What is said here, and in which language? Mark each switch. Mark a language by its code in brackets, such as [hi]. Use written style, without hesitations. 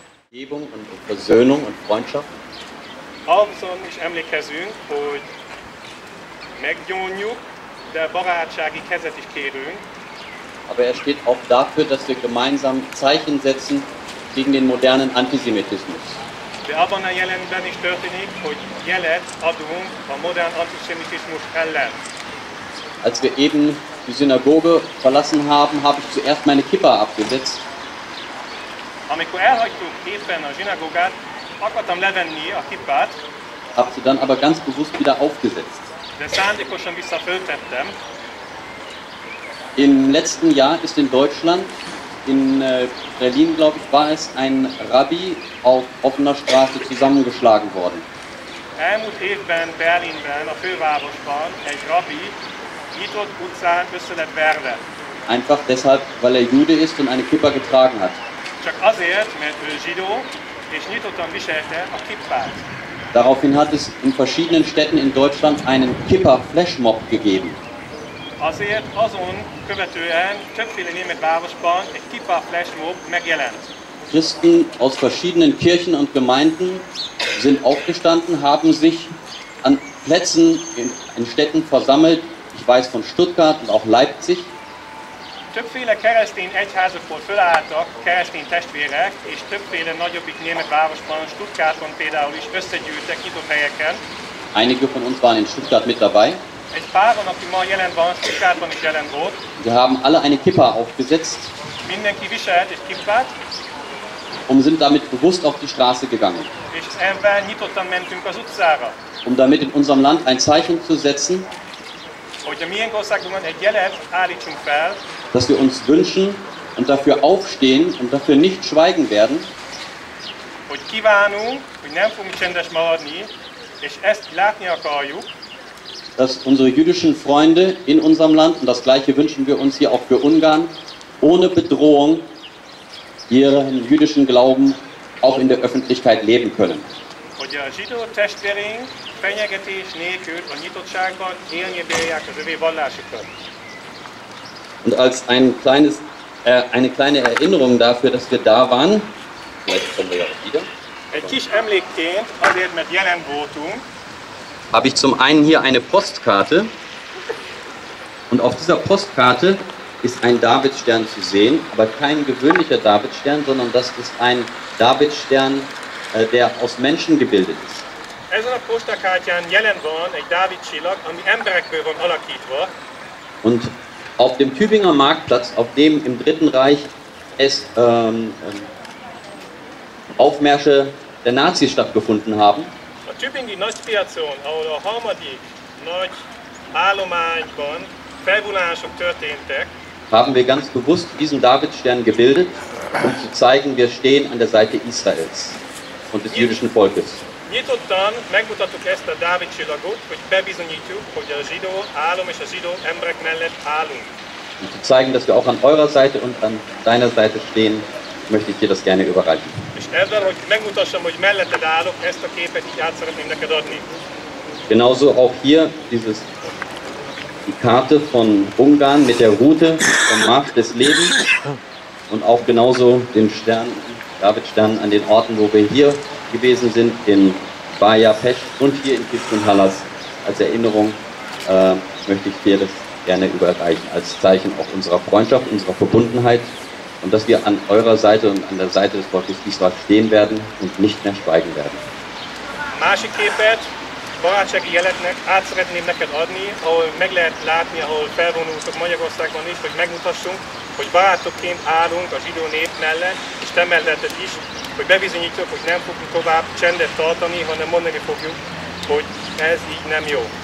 [de] Vergebung und um Versöhnung und Freundschaft. [hu] Abszolút is emlékezünk, hogy meggyónjuk, de barátsági kezet is kérünk. [de] Aber er steht auch dafür, dass wir gemeinsam Zeichen setzen gegen den modernen Antisemitismus. [hu] De abban a jelenben is történik, hogy jelet adunk a modern antiszemitizmus ellen. [de] Als wir eben die Synagoge verlassen haben, habe ich zuerst meine Kippa abgesetzt. [hu] Amikor elhagytuk éppen a zsinagógát, akartam levenni a kippát. [de] Hab sie dann aber ganz bewusst wieder aufgesetzt. [hu] De szándékosan visszaföltettem. [de] Im letzten Jahr ist in Deutschland, in Berlin, glaube ich, war es, ein Rabbi auf offener Straße zusammengeschlagen worden. [hu] Elmúlt évben Berlinben, a fővárosban, egy Rabbi nyitott utcán össze lett verve. [de] Einfach deshalb, weil Jude ist und eine Kippa getragen hat. [hu] Csak azért, mert ő zsidó, és nyitottan viselte a kippát. [de] Daraufhin hat es in verschiedenen Städten in Deutschland einen Kippa-Flashmob gegeben. [hu] Azért azon követően többféle német városban egy Kippa-Flashmob megjelent. [de] Christen aus verschiedenen Kirchen und Gemeinden sind aufgestanden, haben sich an Plätzen in Städten versammelt, ich weiß von Stuttgart und auch Leipzig. [hu] Többféle keresztény egyházakból fölálltak keresztény testvérek, és többféle nagyobbik német városban, Stuttgarton például is összegyűltek nyitott helyeken. [de] Einige von uns waren in Stuttgart mit dabei. [hu] Egy páron, aki ma jelen van, Stuttgartban is jelen volt. [de] Wir haben alle eine Kippa aufgesetzt. [hu] Mindenki viselt egy kippát. [de] Und sind damit bewusst auf die Straße gegangen. [hu] És ebben nyitottan mentünk az utcára. [de] Um damit in unserem Land ein Zeichen zu setzen. [hu] Hogy a miénk országunkban egy jelet állítsunk fel. [de] Dass wir uns wünschen und dafür aufstehen und dafür nicht schweigen werden. [hu] Hogy kívánunk, hogy nem fogunk csendes maradni, és ezt látni akarjuk. [de] Dass unsere jüdischen Freunde in unserem Land, und das gleiche wünschen wir uns hier auch für Ungarn, ohne Bedrohung ihren jüdischen Glauben auch in der Öffentlichkeit leben können. [hu] Hogy a zsidó testvéreink fenyegetés nélkül a nyitottságban élni bírják az övé vallásukat. [de] Und als eine kleine Erinnerung dafür, dass wir da waren, vielleicht kommen wir ja auch wieder. [hu] Egy kis emlékként, azért mert jelen voltunk, [de] habe ich zum einen hier eine Postkarte. Und auf dieser Postkarte ist ein Davidstern zu sehen, aber kein gewöhnlicher Davidstern, sondern das ist ein Davidstern, der aus Menschen gebildet ist. [hu] Ezen a postakártyán jelen van egy Dávid-csillag, ami emberekből van alakítva. [de] Und auf dem Tübinger Marktplatz, auf dem im Dritten Reich es Aufmärsche der Nazis stattgefunden haben. [hu] A tübingi nagypiacon, ahol a harmadik nagy állományban felvonulások történtek, [de] haben wir ganz bewusst diesen Davidstern gebildet, um zu zeigen, wir stehen an der Seite Israels und des jüdischen Volkes. [hu] Nyitottan megmutattuk ezt a Dávid-csillagot, hogy bebizonyítjuk, hogy a zsidó állam és a zsidó emberek mellett állunk. [de] Um zu zeigen, dass wir auch an eurer Seite und an deiner Seite stehen, möchte ich dir das gerne überreichen. [hu] És ezzel, hogy megmutassam, hogy melletted állok, ezt a képet így át szeretném neked adni. [de] Genauso auch hier dieses die Karte von Ungarn mit der Route vom Markt des Lebens und auch genauso den Stern, Davidstern an den Orten, wo wir hier gewesen sind, in Baja Pest und hier in Kiskunhalas. Als Erinnerung möchte ich dir das gerne überreichen, als Zeichen auch unserer Freundschaft, unserer Verbundenheit und dass wir an eurer Seite und an der Seite des Volkes Israel stehen werden und nicht mehr schweigen werden. [hu] Másik képet, barátsági jeletnek át szeretném neked adni, ahol meg lehet látni, ahol felvonultok Magyarországban is, hogy megmutassunk, hogy barátokként állunk a zsidó nép mellett, és te melletted is, hogy bebizonyítjuk, hogy nem fogunk tovább csendet tartani, hanem mondani fogjuk, hogy ez így nem jó.